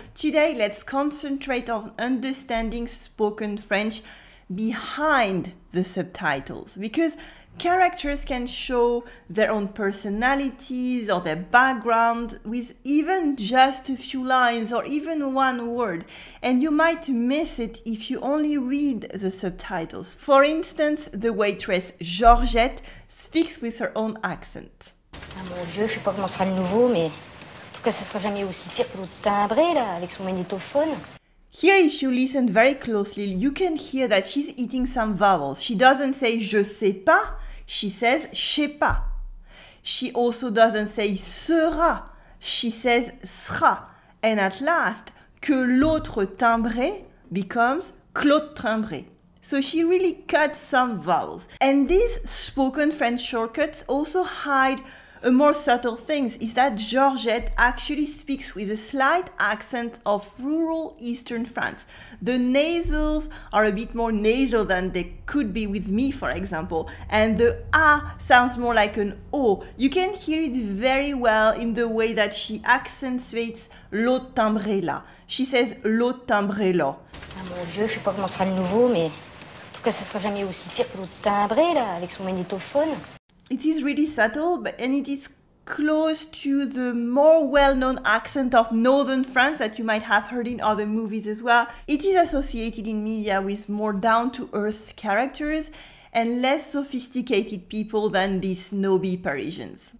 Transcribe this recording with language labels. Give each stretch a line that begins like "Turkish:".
English: Today, let's concentrate on understanding spoken French behind the subtitles, because characters can show their own personalities or their background with even just a few lines or even one word, and you might miss it if you only read the subtitles. For instance, the waitress Georgette speaks with her own accent.
French: Ah mon Dieu, je sais pas comment sera le nouveau, mais en tout cas, ce sera jamais aussi pire que l'autre timbré là avec son magnétophone.
English: Here, if you listen very closely, you can hear that she's eating some vowels. She doesn't say
French: je sais pas,
English: she says je sais pas. She also doesn't say sera, she says sera. And at last,
French: que l'autre timbré
English: becomes Claude timbré. So she really cuts some vowels. And these spoken French shortcuts also hide a more subtle thing is that Georgette actually speaks with a slight accent of rural Eastern France. The nasals are a bit more nasal than they could be with me, for example, and the A sounds more like an O. You can hear it very well in the way that she accentuates
French: l'autre timbré là.
English: She says
French: l'autre timbré là. Ah mon Dieu, je sais pas comment sera le nouveau, mais en tout cas, ce sera jamais aussi pire que l'autre timbré là avec son magnétophone.
English: It is really subtle, but and it is close to the more well-known accent of Northern France that you might have heard in other movies as well. It is associated in media with more down-to-earth characters and less sophisticated people than these snobby Parisians.